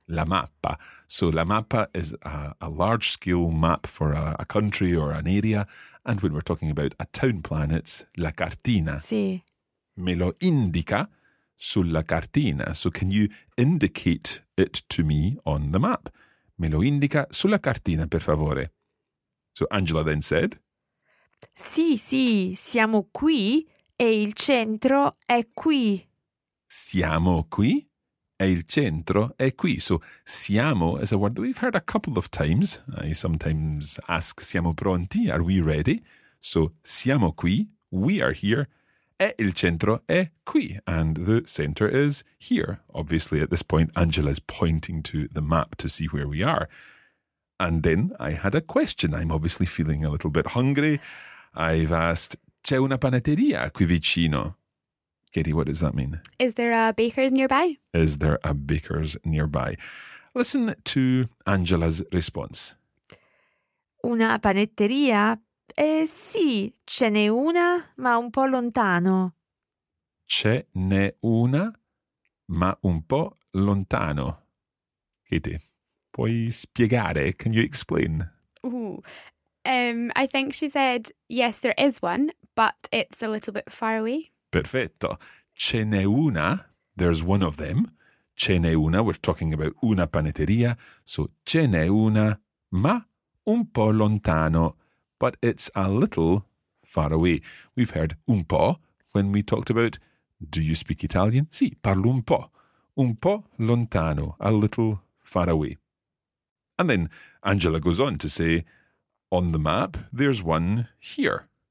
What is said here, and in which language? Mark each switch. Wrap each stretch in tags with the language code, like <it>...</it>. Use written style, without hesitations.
<it>La mappa.</it> <en>So la mappa is a large-scale map for a country or an area. And when we're talking about a town plan, it's la cartina.</en> <it>Sì. Me lo indica sulla cartina.</it> <en>So can you indicate it to me on the map?</en> <it>Me lo indica sulla cartina, per favore.</it> <en>So Angela then said...</en> <it>Sì, sì, siamo qui e il centro è qui. Siamo qui e il centro è qui.</it> <en>So, siamo is a word that we've heard a couple of times. I sometimes ask,</en> <it>siamo pronti?</it> <en>Are we ready?</en> <it>So, siamo qui,</it> <en>we are here,</en> <it>e il centro è qui.</it> <en>And the center is here. Obviously, at this point, Angela is pointing to the map to see where we are. And then I had a question. I'm obviously feeling a little bit hungry. I've asked,</en> <it>c'è una panetteria qui vicino?</it> <en>Katie, what does that mean? Is there a baker's nearby? Is there a baker's nearby? Listen to Angela's response.</en> <it>Una panetteria? Sì, ce n'è una, ma un po' lontano. Ce n'è una, ma un po' lontano.</it> <en>Katie,</en> <it>puoi spiegare?</it> <en>Can you explain? Ooh. I think she said, yes, there is one, but it's a little bit far away.</en> <it>Perfetto. Ce n'è una.</it> <en>There's one of them.</en> <it>Ce n'è una.</it> <en>We're talking about una panetteria. So</en> <it>ce n'è una, ma un po' lontano.</it> <en>But it's a little far away. We've heard un po' when we talked about, do you speak Italian?</en> <it>Sì, parlo un po'. Un po' lontano.</it> <en>A little far away. And then Angela goes on to say, on the map, there's one here.</en>